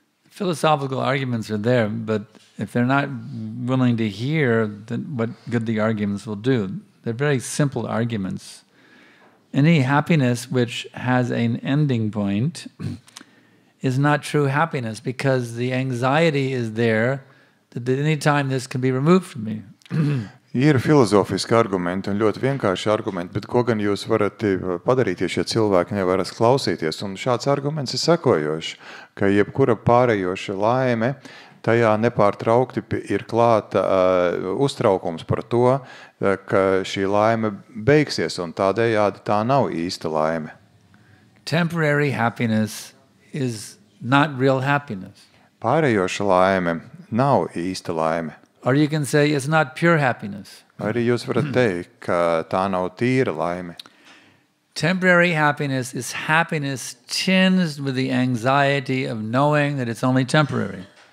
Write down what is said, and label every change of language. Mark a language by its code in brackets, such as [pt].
[en] Philosophical arguments are there, but if they're not willing to hear, then what good the arguments will do? They're very simple arguments. Any happiness which has an ending point is not true happiness, because the anxiety is there that any time this can be removed from me. [lv] Ir filozofiski argumenti un ļoti vienkārši argumenti, bet ko gan jūs varat padarīt, ja šie cilvēki nevaras klausīties? Un šāds arguments ir sekojošs, ka jebkura pārējoša laime, tajā nepārtraukti ir klāta uztraukums par to, ka šī laime beigsies, un tādējādi tā nav īsta laime. [en] Temporary happiness is not real happiness. [lv] Pārējoša laime nav īsta laime. [en] Or you can say it's not pure happiness. [lv] Arī jūs varat teikt, ka tā nav tīra laime. [en] Temporary happiness is happiness tinged with the anxiety of knowing that it's only temporary.